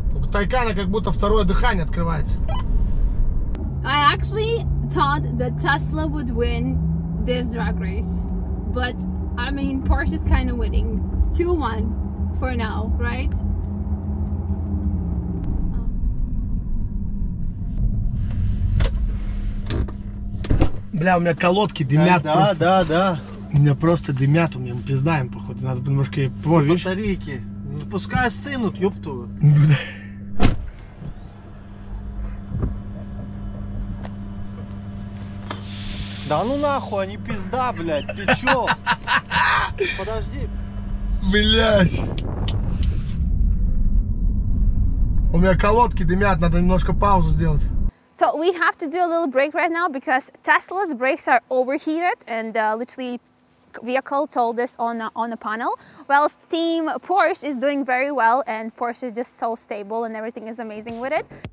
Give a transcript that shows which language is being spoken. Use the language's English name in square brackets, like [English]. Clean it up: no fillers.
[Russian] Тайкана как будто второе дыхание открывается. [English] I actually thought that Tesla would win this drag race, but I mean Porsche is kind of winning 2-1 for now, right? [Russian] Бля, у меня колодки дымят. Да, просто. Да, да. У меня просто дымят, у меня мы пиздаем походу, надо бы немножко помочь. Батарейки. Ну, пускай остынут, ёпту. Да ну нахуй, они пизда, блядь, ты чё? Подожди. Блядь. У меня колодки дымят, надо немножко паузу сделать. [English] So we have to do a little break right now because Tesla's brakes are overheated and literally vehicle told us on the panel, whilst team Porsche is doing very well and Porsche is just so stable and everything is amazing with it.